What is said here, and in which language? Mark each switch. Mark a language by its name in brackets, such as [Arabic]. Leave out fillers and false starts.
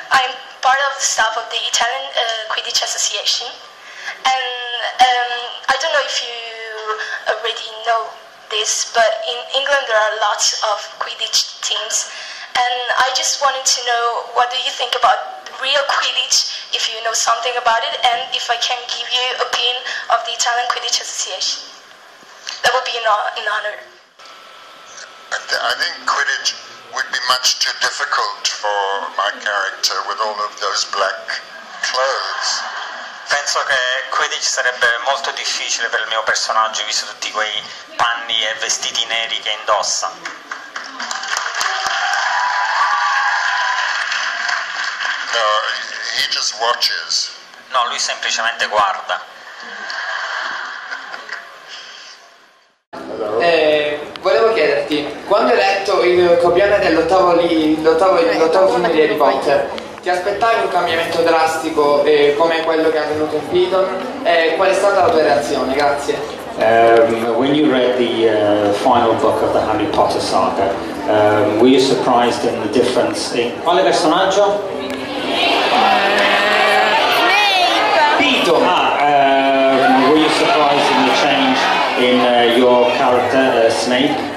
[English] I'm part of the staff of the Italian Quidditch Association, and I don't know if you already know this, but in England there are lots of Quidditch teams, and I just wanted to know what do you think about real Quidditch, if you know something about it, and if I can give you an opinion of the Italian Quidditch Association. That would be an honor. I think Quidditch would be much too difficult for my character with all of those black clothes. [Italian] Penso che Quidditch sarebbe molto difficile per il mio personaggio visto tutti quei panni e vestiti neri che indossa. [English] No, he just watches. [Italian] No, lui semplicemente guarda. Volevo chiederti, quando hai letto il copione dell'ottavo film di Harry Potter, ti aspettavi un cambiamento drastico come quello che è avvenuto in Piton? Qual è stata la tua reazione? Grazie. [English] When you read the final book of the Harry Potter saga, were you surprised in the difference in... [Italian] Quale personaggio? [English] Snape! [Italian] Piton! [English] Were you surprised in the change in your character, Snape?